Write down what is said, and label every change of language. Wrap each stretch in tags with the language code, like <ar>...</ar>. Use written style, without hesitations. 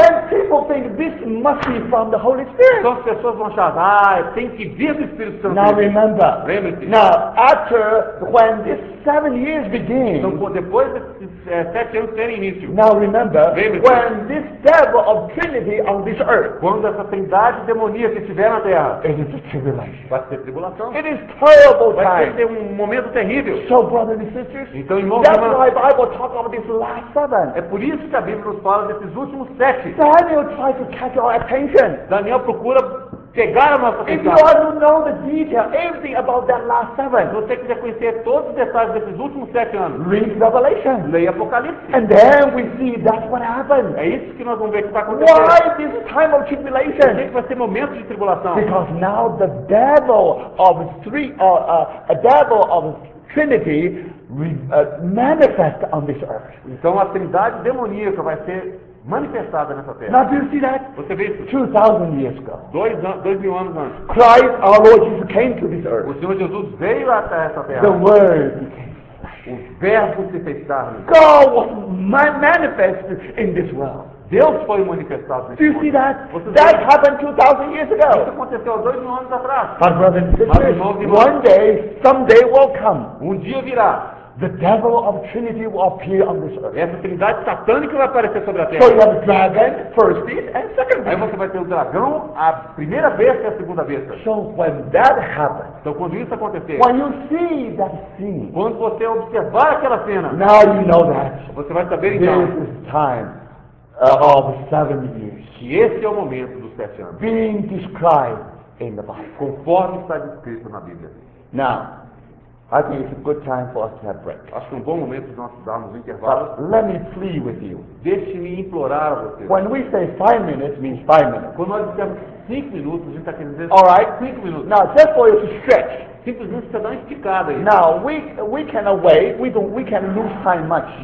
<en>Then people think this must be from the Holy Spirit.</en> <pt>Então, as pessoas vão achar, ah, tem que vir do Espírito Santo.</pt> <en>Now remember.</en> <pt>Lembre-se.</pt> <en>Now, after when this 7 years begin.</en> <pt>Então, depois desses 7 anos terem início.</pt> <en>Now remember.</en> <pt>Lembre-se.</pt> <en>When this devil of Trinity on this earth.</en> <pt>Quando essa trindade demoníaca estiver na terra.</pt> <en>It is a tribulation.</en> <pt>Vai ser tribulação.</pt> <en>It is terrible time.</en> <pt>Vai ser um momento terrível.</pt> <en>So, brothers and sisters.</en> <pt>Então, irmãos,</pt> <en>that's why the Bible talks about this last 7.</en> <pt>É por isso que a Bíblia nos fala desses últimos 7.</pt> <en>Daniel tries to catch our attention.</en> <pt>Daniel procura pegar a nossa atenção.</pt> <en>If you want to know the detail, everything about that last 7.</en> <pt>Se você quiser conhecer todos os detalhes desses últimos 7 anos.</pt> <en>Read Revelation.</en> <pt>Leia Apocalipse.</pt> <en>And then we see that's what happened.</en> <pt>É isso que nós vamos ver que está acontecendo.</pt> <en>Why this time of tribulation?</en> <pt>Por que vai ser momento de tribulação?</pt> <en>Because now the devil of three, a devil of Trinity manifests on this earth.</en> <pt>Então a trindade demoníaca vai ser manifestada nessa terra.</pt> <en>Now, do you see that?</en> <pt>Você vê isso?</pt> <en>2,000 years ago.</en> <pt>2,000 anos antes.</pt> <en>Christ, our Lord Jesus, came to this earth.</en> <pt>O Senhor Jesus veio até essa terra.</pt> <en>The Word became flesh.</en> <pt>O Verbo se fez carne.</pt> <en>God was manifested in this world.</en> <pt>Deus foi manifestado nesse mundo.</pt> <en>Do you see that? That happened 2,000 years ago.</en> <pt>Isso aconteceu 2,000 anos atrás.</pt> <en>But brothers and sisters,</en> <pt>mas, irmãos e irmãs,</pt> <en>one day, someday will come.</en> <pt>Um dia virá.</pt> <en>The devil of Trinity will appear on this earth.</en> <pt>Essa trindade satânica vai aparecer sobre a terra.</pt> <en>So you have dragon, first beast, and second beast.</en> <pt>Aí você vai ter o dragão, a primeira besta e a segunda besta.</pt> <en>So when that happens,</en> <pt>então quando isso acontecer,</pt> <en>when you see that scene,</en> <pt>quando você observar aquela cena,</pt> <en>now you know that,</en> <pt>você vai saber então,</pt> <en>this is time of 7 years,</en> <pt>que esse é o momento dos 7 anos,</pt> <en>being described in the Bible,</en> <pt>conforme está descrito na Bíblia.</pt> <en>Now, I think it's a good time for us to have break.</en> <pt>Acho que é um bom momento nós darmos um intervalo.</pt> <en>But let me plead with you.</en> <pt>Deixe-me implorar a você.</pt> <en>When we say 5 minutes, means 5 minutes.</en> <pt>Quando nós dizemos 5 minutos, a gente está querendo dizer.</pt> <en>All right. 5 minutes. Now, just for you to stretch.</en> <pt>Simplesmente para dar uma esticada aí.</pt> <en>Now, we cannot wait. We can lose time much.</en>